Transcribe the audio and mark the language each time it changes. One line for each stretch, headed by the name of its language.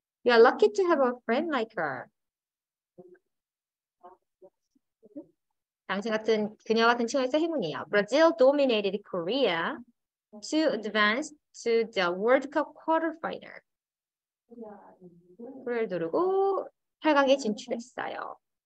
English: You are lucky to have a friend like her.
Korean: 당신 같은, 그녀 같은 친구에서 행운이에요.
English: Brazil dominated Korea to advance to the World Cup quarterfinal.
Korean: 코리아를 누르고 8강에 진출했어요.